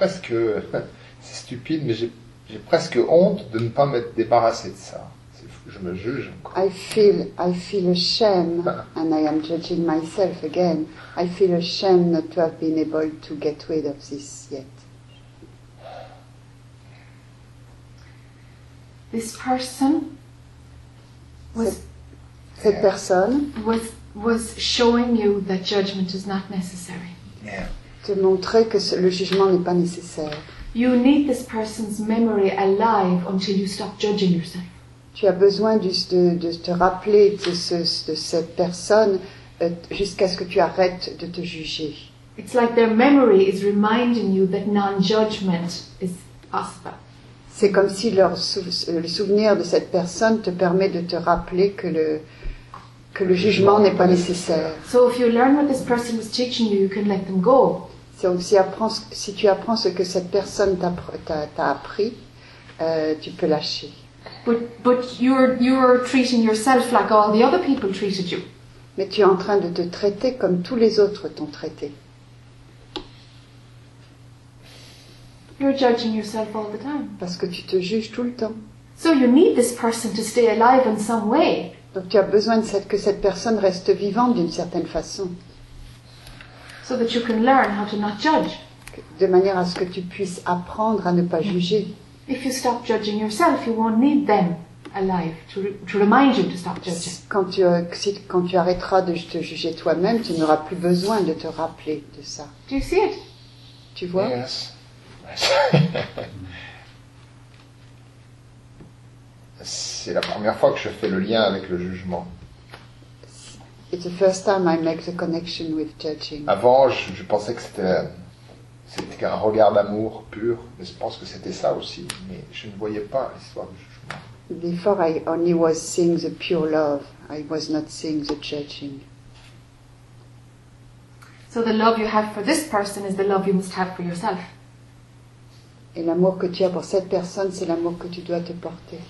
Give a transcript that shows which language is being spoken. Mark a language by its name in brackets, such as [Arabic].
[French] C'est stupide, mais j'ai presque honte de ne pas m'être débarrassé de ça. Je me juge. [English] I feel ashamed, and I am judging myself again. I feel ashamed not to have been able to get rid of this yet. This person was. [French] Cette personne [English] was showing you that judgment is not necessary. Yeah. [French] Te montrer que le jugement n'est pas nécessaire. [English] You need this person's memory alive until you stop judging yourself. [French] Tu as besoin de te rappeler de cette personne jusqu'à ce que tu arrêtes de te juger. [English] It's like their memory is reminding you that non-judgment is possible. [French] C'est comme si le souvenir de cette personne te permet de te rappeler que le jugement n'est pas nécessaire. [English] So if you learn what this person was teaching you, you can let them go. [French] Si tu apprends ce que cette personne t'a appris, tu peux lâcher. [English] But you're treating yourself like all the other people treated you. [French] Mais tu es en train de te traiter comme tous les autres t'ont traité. [English] You're judging yourself all the time. [French] Parce que tu te juges tout le temps. [English] So you need this person to stay alive in some way. [French] Donc tu as besoin de que cette personne reste vivante d'une certaine façon. [English] So that you can learn how to not judge. [French] De manière à ce que tu puisses apprendre à ne pas juger. [English] If you stop judging yourself, you won't need them alive to remind you to stop judging. [French] Quand tu arrêteras de te juger toi-même, tu n'auras plus besoin de te rappeler de ça. [English] Do you see it? [French] Tu vois? [English] Yes. [French] C'est la première fois que je fais le lien avec le jugement. [English] It's the first time I make the connection with judging. [French] Avant, je pensais que c'était un regard d'amour pur, mais je pense que c'était ça aussi. Mais je ne voyais pas l'histoire du jugement. [English] Before I only was seeing the pure love, I was not seeing the judging. So the love you have for this person is the love you must have for yourself. [French] Et l'amour que tu as pour cette personne, c'est l'amour que tu dois te porter.